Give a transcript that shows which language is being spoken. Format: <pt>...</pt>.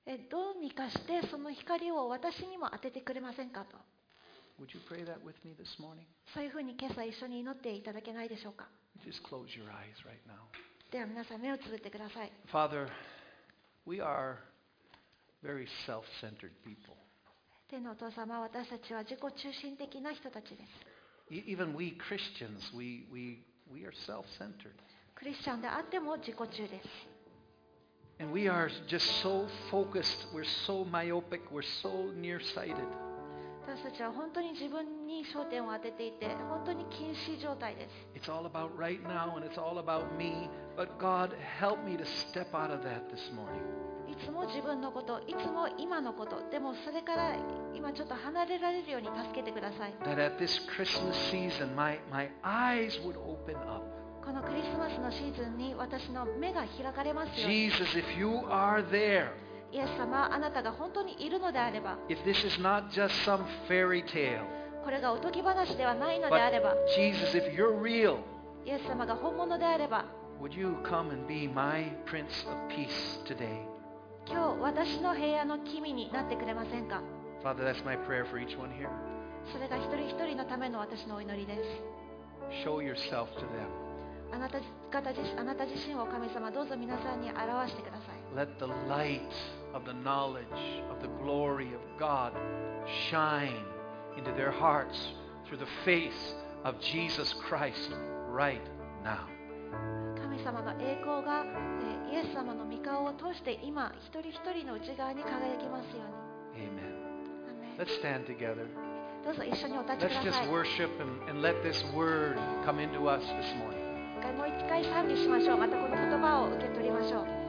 <ja>どうにかしてその光を私にも当ててくれませんかと。</ja> <en>Would you pray that with me this morning?</en> <ja>そういうふうに今朝一緒に祈っていただけないでしょうか。</ja> <en>Just close your eyes right now.</en> <ja>では皆さん目をつぶってください。</ja> <en>Father, we are very self-centered people.</en> <ja>天のお父様、私たちは自己中心的な人たちです。</ja> <en>Even we Christians, we are self-centered.</en> <ja>クリスチャンであっても自己中です。</ja> <en>And we are just so focused, we're so myopic, we're so nearsighted.</en> <ja>私たちは本当に自分に焦点を当てていて、本当に近視状態です。</ja> <en>It's all about right now and it's all about me, but God, help me to step out of that this morning.</en> <ja>いつも自分のこと、いつも今のこと、でもそれから今ちょっと離れられるように助けてください。</ja> <en>That at this Christmas season, my eyes would open up.</en> <ja>このクリスマスのシーズンに私の目が開かれますように。</ja> <en>Jesus, if you are there,</en> <ja>イエス様、あなたが本当にいるのであれば、</ja> <en>if this is not just some fairy tale,</en> <ja>これがおとぎ話ではないのであれば、</ja> <en>but Jesus, if you're real,</en> <ja>イエス様が本物であれば、</ja> <en>would you come and be my Prince of Peace today?</en> <ja>今日私の平和の君になってくれませんか?</ja> <en>Father, that's my prayer for each one here.</en> <ja>それが一人一人のための私のお祈りです。</ja> <en>Show yourself to them.</en> <ja>あなた自身を神様どうぞ皆さんに表してください。</ja> <en>Let the light of the knowledge of the glory of God shine into their hearts through the face of Jesus Christ right now.</en> <ja>神様の栄光がイエス様の御顔を通して今一人一人の内側に輝きますように。</ja> <en>Amen. Let's stand together.</en> <ja>どうぞ一緒にお立ちください。</ja> <en>Let's just worship and let this word come into us this morning.</en> <ja>もう一回賛美しましょう。またこの言葉を受け取りましょう。</ja>